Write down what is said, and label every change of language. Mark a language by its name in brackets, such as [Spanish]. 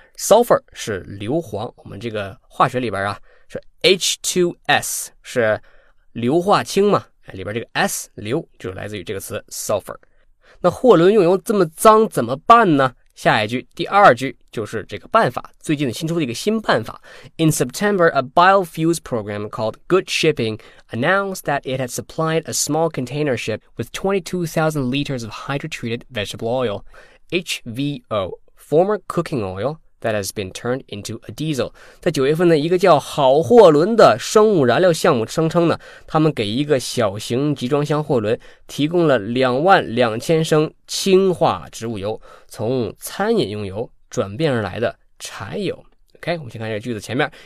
[Chinese] Sulfur 是硫磺，我们这个化学里边啊是 H2S 是硫化氢嘛，里边这个 S 硫就来自于这个词 Sulfur。那货轮用油这么脏怎么办呢？下一句第二句就是这个办法，最近新出的一个新办法。 [English] In September, a biofuels program called Good Shipping announced that it had supplied a small container ship with 22,000 liters of hydrotreated vegetable oil, HVO, former cooking oil that has been turned into a diesel. [Chinese] 在9月份呢，一个叫好货轮的生物燃料项目声称呢，他们给一个小型集装箱货轮提供了22,000升氢化植物油，从餐饮用油转变而来的柴油。 OK, 我们先看这个句子前面。